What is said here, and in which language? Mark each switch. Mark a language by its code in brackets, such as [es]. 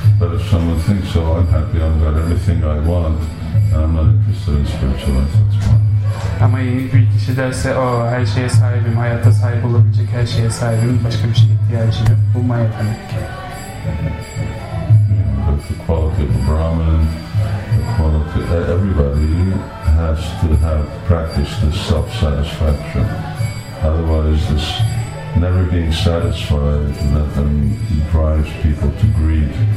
[en] But if someone thinks so, I'm happy, I've got everything I want, and I'm not interested in spiritual life, that's fine. [tr] Ama yeni bir kişi derse, her şeye sahibim, hayata sahip olabilecek her şeye sahibim, başka bir şeye ihtiyacım yok, bu maya demek ki. [en] But the quality of a Brahmin, the quality of everybody has to have practiced this self-satisfaction. Otherwise, this never being satisfied, that then drives people to greed.